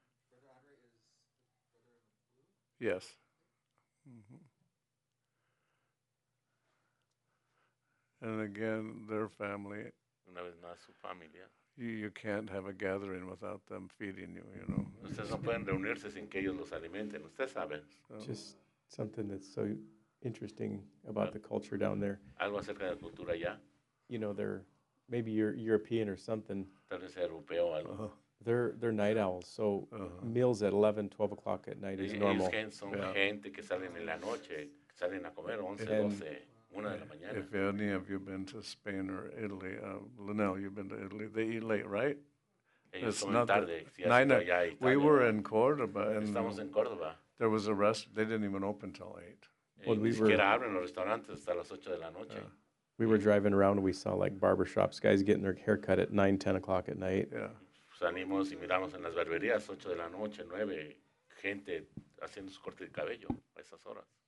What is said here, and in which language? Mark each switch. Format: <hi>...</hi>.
<en>Brother Adrian is the brother. Yes. And again, their family.</en> <es>Una vez más, su familia.</es> <en>You can't have a gathering without them feeding you, you know.</en> <es>Ustedes no pueden reunirse sin que ellos los alimenten, ustedes saben.</es> <en>Just something that's so interesting about the culture down there.</en> <es>Algo acerca de la cultura allá.</es> <en>You know, they're maybe you're European or something.</en> <es>Tal vez europeo algo.</es> <en>They're night owls, so meals at 11, 12 o'clock at night is normal.</en> <es>Son gente que salen en la noche, salen a comer 11, 12.</es> <en>If any of you have been to Spain or Italy, Linnell, you've been to Italy, they eat late, right? Ellos it's not tarde, that. Si we were in Cordoba, and</en> <es>estamos en Cordoba.</es> <en>There was a restaurant. They didn't even open until 8. We were driving around and we saw like barbershops, guys getting their hair cut at 9, 10 o'clock at night.</en> <es>Salimos y miramos en las barberías, 8 de la noche, 9, gente haciendo su corte de cabello a esas horas.</es>